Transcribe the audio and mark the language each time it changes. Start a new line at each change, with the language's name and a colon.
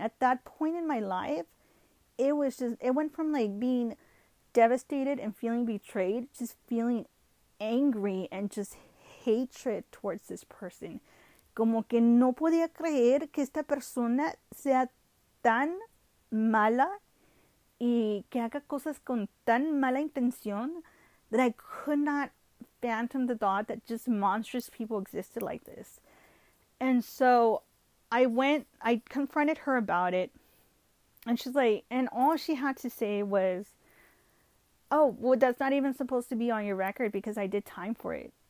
English: At that point in my life, it went from like being devastated and feeling betrayed, just feeling angry and just hatred towards this person.
Spanish: Como que no podía creer que esta persona sea tan mala y que haga cosas con tan mala intención.
English: That I could not fathom the thought that just monstrous people existed like this. And so I confronted her about it. And she's like, and all she had to say was, oh, well, that's not even supposed to be on your record because I did time for it.